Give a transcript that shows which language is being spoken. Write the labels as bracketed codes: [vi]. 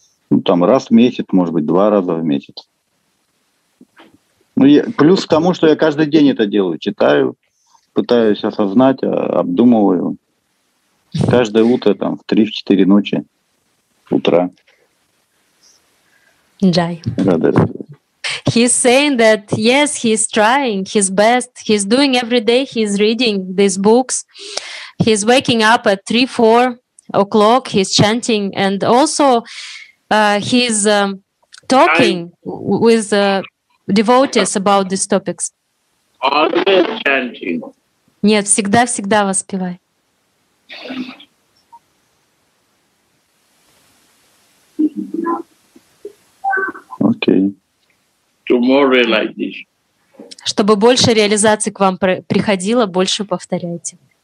[ru] Ну, там раз в месяц, может быть, 2 раза в месяц. Ну, плюс к тому, что я каждый день это делаю, читаю, пытаюсь осознать, обдумываю. Каждое утро, там, в 3-4 ночи утра. Джай. [en] He's saying that, yes, he's trying his best. He's doing every day. He's reading these books. He's waking up at 3-4 o'clock. He's chanting. And also, he's talking with devotees about these topics. Always chanting. [ru] Нет, всегда-всегда воспевай. [en] Okay. To more realization. [ru] Чтобы больше реализации к вам приходило, больше повторяйте.